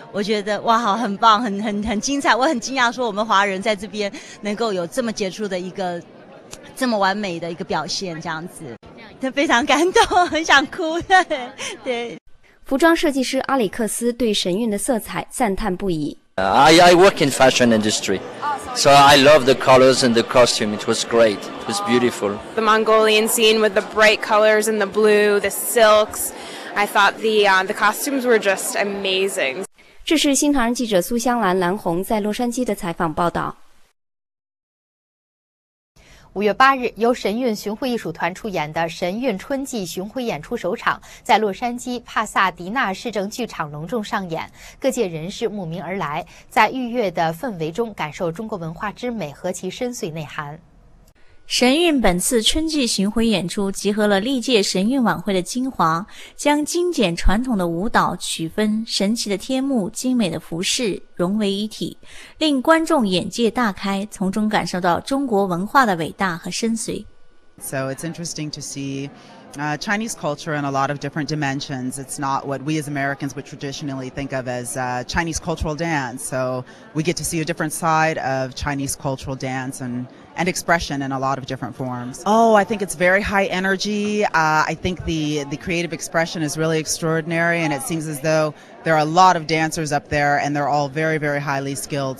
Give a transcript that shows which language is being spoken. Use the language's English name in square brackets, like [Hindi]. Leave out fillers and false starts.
[Chinese] 我觉得哇，好，很棒，很精彩。我很惊讶，说我们华人在这边能够有这么杰出的一个这么完美的一个表现，这样子，真非常感动，很想哭。对。服装设计师阿里克斯对神韵的色彩赞叹不已。 [English] I work in fashion industry, so I love the colors and the costume. It was great. It was beautiful. The Mongolian scene with the bright colors and the blue, the silks. I thought the costumes were just amazing. [Chinese] 这是新唐人记者苏香兰、蓝红在洛杉矶的采访报道。 5月8日由神韵巡回艺术团出演的神韵春季巡回演出首场在洛杉矶帕萨迪纳市政剧场隆重上演，各界人士慕名而来，在愉悦的氛围中感受中国文化之美和其深邃内涵。神韵本次春季巡回演出集合了历届神韵晚会的精华，将精简传统的舞蹈曲风、神奇的天幕、精美的服饰融为一体，令观众眼界大开，从中感受到中国文化的伟大和深邃。 [English] So it's interesting to see Chinese culture in a lot of different dimensions. It's not what we as Americans would traditionally think of as Chinese cultural dance. So we get to see a different side of Chinese cultural danceand expression in a lot of different forms. Oh, I think it's very high energy. I think the creative expression is really extraordinary, and it seems as though there are a lot of dancers up there, and they're all very, very highly skilled.